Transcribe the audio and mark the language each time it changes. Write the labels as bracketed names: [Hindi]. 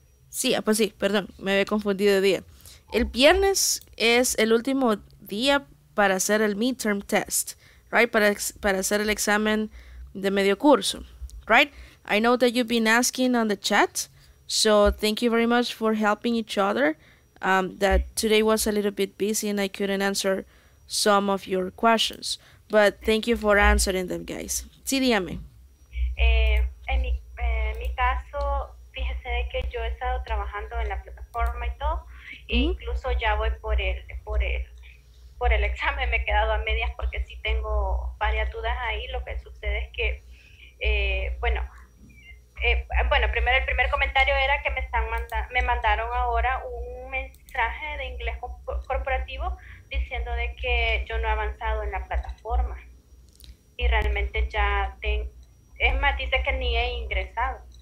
[Spanish] Sí, pues sí, perdón, me había confundido de día. El viernes es el último día para hacer el midterm test, right, para hacer el examen de medio curso, right? [English] I know that you've been asking on the chat, so thank you very much for helping each other. That today was a little bit busy and I couldn't answer some of your questions. But thank you for answering them, guys. [Spanish] Sí, dígame. En mi caso, fíjese de que yo he estado trabajando en la plataforma y todo. Mm-hmm. E incluso ya voy por el examen. Me he quedado a medias porque sí tengo varias dudas ahí. Lo que sucede es que, primero el primer comentario era que me mandaron ahora un mensaje de inglés corporativo diciendo de que yo no he avanzado en la plataforma y realmente ya es más, dice que ni he ingresado.